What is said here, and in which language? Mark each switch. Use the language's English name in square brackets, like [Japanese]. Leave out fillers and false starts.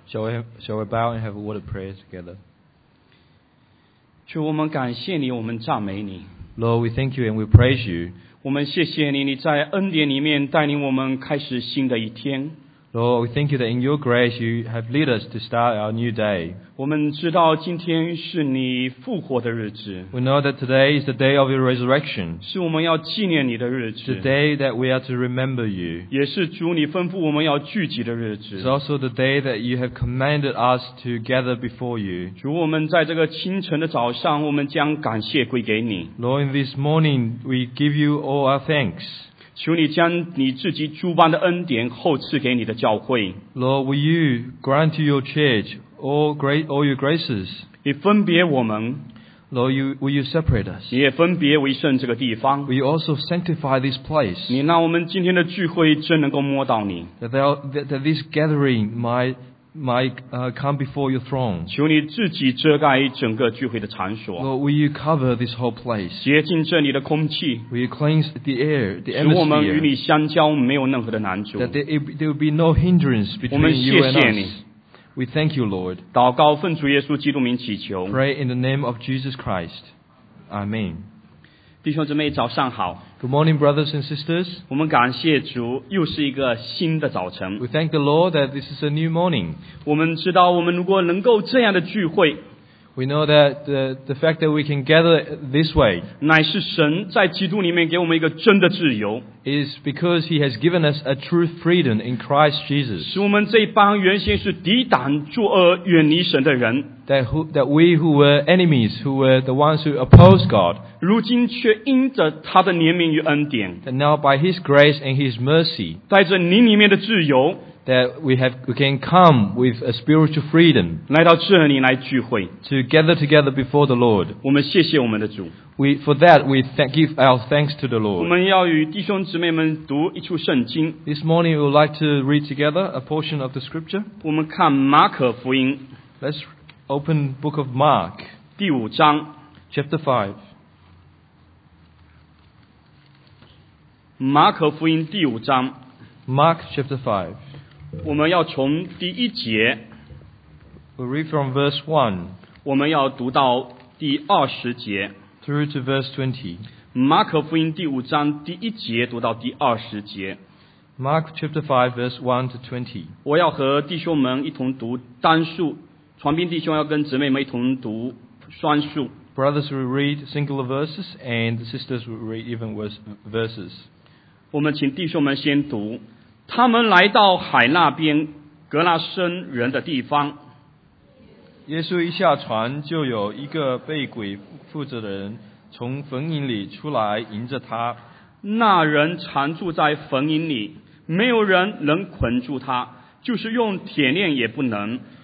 [English] Shall we bow and have a word of prayer together? [Chinese] 主，我们感谢你，我们赞美你。 [English] Lord, we thank you and we praise you. [Chinese] 我们谢谢你，你在恩典里面带领我们开始新的一天。 [English] Lord, we thank you that in your grace you have led us to start our new day. [Chinese] 我们知道今天是你复活的日子。 [English] We know that today is the day of your resurrection. [Chinese] 是我们要纪念你的日子。 [English] The day that we are to remember you. [Chinese] 也是主你吩咐我们要聚集的日子。 [English] It's also the day that you have commanded us to gather before you. [Chinese] 主，我们在这个清晨的早上，我们将感谢归给你。 [English] Lord, in this morning we give you all our thanks. [Chinese] 求你将你自己诸般的恩典厚赐给你的教会。 [English] Lord, will you grant to your church all your graces? [Chinese] 你分别我们。 [English] Lord, will you separate us? [Chinese] 你也分别为圣这个地方。 [English] Will you also sanctify this place? [Chinese] 你让我们今天的聚会真能够摸到你。 [English] That this gathering might come before your throne. [Chinese] 求你自己遮盖整个聚会的场所。 [English] Lord, will you cover this whole place? [Chinese] 洁净这里的空气。 [English] Will you cleanse the air, the atmosphere? [Chinese] 使我们与你相交没有任何的难阻。 [English] That there will be no hindrance between you and us. [Chinese] 我们谢谢你。 [English] We thank you, Lord. [Chinese] 祷告奉主耶稣基督名祈求。 [English] Pray in the name of Jesus Christ. Amen. [Chinese] 弟兄姊妹早上好。 [English] Good morning, brothers and sisters. [Chinese] 我们感谢主，又是一个新的早晨。 [English] We thank the Lord that this is a new morning. [Chinese] 我们知道我们如果能够这样的聚会， [English] We know that the fact that we can gather this way [Chinese] 乃是神在基督里面给我们一个真的自由。 [English] Is because he has given us a true freedom in Christ Jesus. [Chinese] 使我们这帮原先是抵挡作恶远离神的人， [English] That we who were enemies, who were the ones who opposed God, [Chinese] 如今却因着他的怜悯与恩典， [English] that now by His grace and His mercy, [Chinese] 在这灵里面的自由， [English] that we can come with a spiritual freedom, [Chinese] 来到这里来聚会， [English] to gather together before the Lord. [Chinese] 我们谢谢我们的主。 [English] We give our thanks to the Lord. [Chinese] 我们要与弟兄姊妹们读一处圣经。 [English] This morning we would like to read together a portion of the scripture. [Chinese] 我们看马可福音。 [English] Let's Open Book of Mark, [Chinese] 第五章 [English] Chapter 5. [Chinese] 马可福音第五章 [English] Mark Chapter 5. [Chinese] 我们要从第一节 [English] We'll read from verse 1. [Chinese] 我们要读到第二十节 [English] Through to verse 20. [Chinese] 马可福音第五章第一节读到第二十节 [English] Mark Chapter 5, verse 1 to 20. [Chinese] 我要和弟兄们一同读单数，传兵弟兄要跟姊妹们一同读双数。 [English] Brothers will read singular verses, and the sisters will read even worse verses. [Chinese] 我们请弟兄们先读。他们来到海那边，格拉森人的地方。耶稣一下船，就有一个被鬼附着的人从坟茔里出来迎着他。那人常住在坟茔里，没有人能捆住他，就是用铁链也不能。